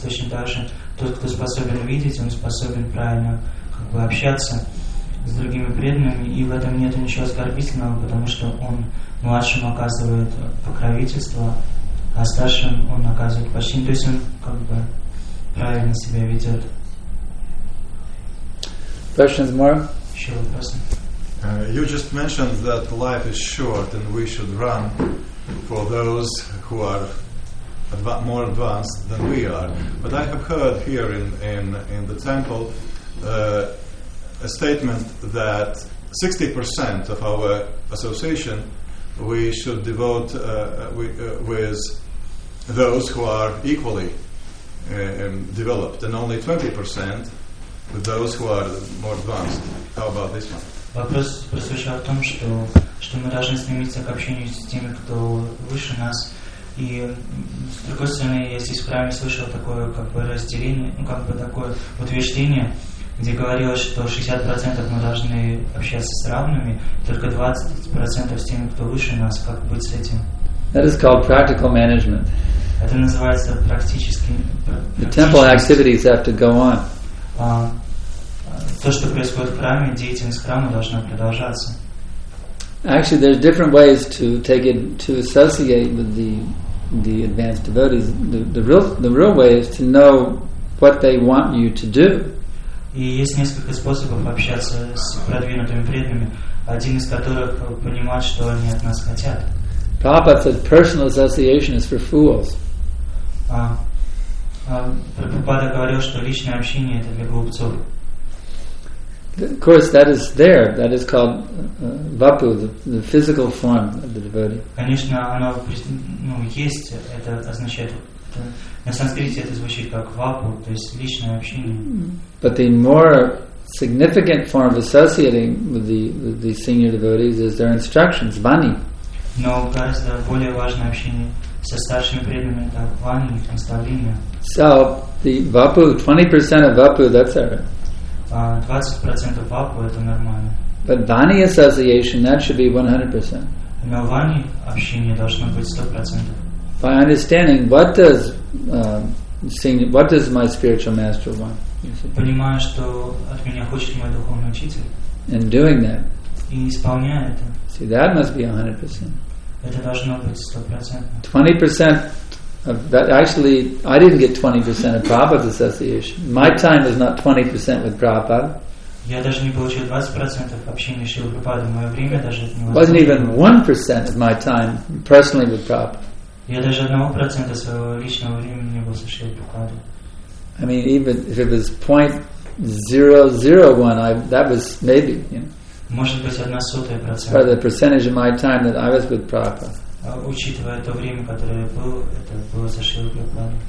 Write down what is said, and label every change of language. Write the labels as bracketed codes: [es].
[ru] Точно так же тот, кто способен видеть, он способен правильно как бы общаться с другими преданными, и в этом нет ничего оскорбительного, потому что он младшим оказывает покровительство, а старшим он оказывает почти, то есть он как бы правильно себя ведет. [en] Questions more? Sure, person. You just mentioned that life is short and we should run for those who are more advanced than we are. But I have heard here in the temple a statement that 60% of our association we should devote with those who are equally developed, and only 20% with those who are more advanced. How about this one? [ru] Вопрос прозвучал в том, что мы должны стремиться к общению с теми, кто выше нас. И с другой стороны, я здесь в храме слышал такое как бы разделение, ну как бы такое утверждение, где говорилось, что 60% мы должны общаться с равными, только 20% с теми, кто выше нас, как быть с этим. [en] That is called practical management. [ru] Это называется практическим. [en] The temple activities have to go on. [ru] То, что происходит в храме, деятельность храма должна продолжаться. [en] Actually, there's different ways to associate with the advanced devotees. The real way is to know what they want you to do. [ru] И есть несколько способов общаться с продвинутыми преданными, один из которых понимать, что они от нас хотят. [en] Prabhupada said personal association is for fools. [ru] Прабхупада говорил, что личное общение это для глупцов. [en] Of course, that is there. That is called vapu, the physical form of the devotee. [ru] Конечно, оно есть. Это означает на санскрите это звучит как вапу, то есть личное общение. [en] But the more significant form of associating with the senior devotees is their instructions, vani. [ru] Но гораздо более важное общение со старшими преданными это вани, наставления. [en] So the vapu, 20% of vapu, that's it. [ru] 20% vapu это нормально. [en] But vani association, that should be 100%. [ru] Но вани общение должно быть 100%. [en] By understanding what does my spiritual master want? [ru] Понимаю, что от меня хочет мой духовный учитель. [en] And doing that. [ru] И исполняя это. [en] See, that must be 100%. [ru] Это должно быть 100%. [en] 20% of that. Actually, I didn't get 20% of Prabhupada's association. My time was not 20% with Prabhupada. [ru] Я даже не получил 20% общения с Шрилой Прабхупадой. Мое время даже не было. [en] Wasn't even 1% of my time personally with Prabhupada. [ru] Я даже 1% своего личного времени не был со Шрилой Прабхупадой. [en] I mean, even if it was 0.001, that was maybe, you know. [ru] Может быть, 0.01%. [en] Or the percentage of my time that I was with Prabhupada. [ru] Учитывая то время, которое я был, это было со Шрилой Прабхупадой.